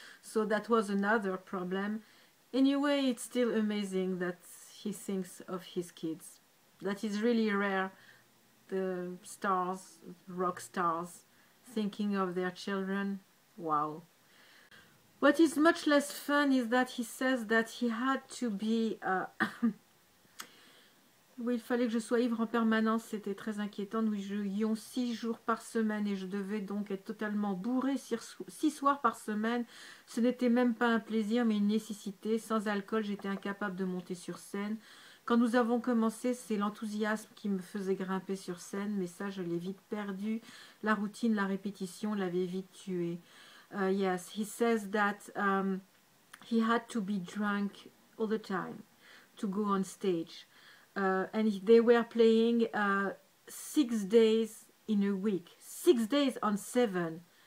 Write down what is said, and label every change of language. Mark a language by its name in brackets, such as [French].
[English] So that was another problem. Anyway, it's still amazing that he thinks of his kids. That is really rare. The stars, rock stars, thinking of their children. Wow. What is much less fun is that he says that he had to be. [French] Oui, il fallait que je sois ivre en permanence, c'était très inquiétant. Nous jouions 6 jours par semaine et je devais donc être totalement bourré 6 soirs par semaine. Ce n'était même pas un plaisir, mais une nécessité. Sans alcool, j'étais incapable de monter sur scène. Quand nous avons commencé, c'est l'enthousiasme qui me faisait grimper sur scène, mais ça, je l'ai vite perdu. La routine, la répétition l'avaient vite tué. [English] Yes, he says that he had to be drunk all the time to go on stage. And they were playing 6 days in a week, 6 days on seven.